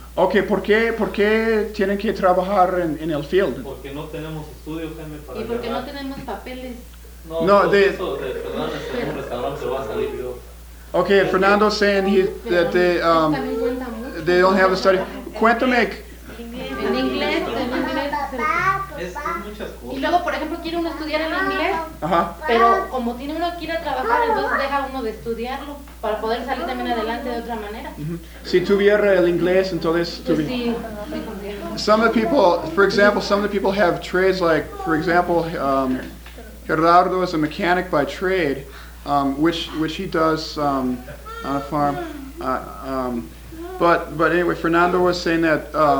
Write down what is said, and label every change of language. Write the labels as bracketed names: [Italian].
[Spanish] Okay, ¿por qué tienen que trabajar en el field? Porque no tenemos estudio, Jaime, para ¿y porque no tenemos papeles? [English] Okay, Fernando's saying they don't have a study. [Spanish] Cuéntame. En inglés, Cosas. Y luego, por ejemplo, quiere uno estudiar el inglés. Ajá. Pero como tiene uno que ir a trabajar, entonces deja uno de estudiarlo para poder salir también adelante de otra manera. Mm-hmm. Si tuviera el inglés, entonces pues sí. [English] Some of the people, for example, some of the people have trades, like, for example, Gerardo is a mechanic by trade, which he does on a farm. But anyway, Fernando was saying that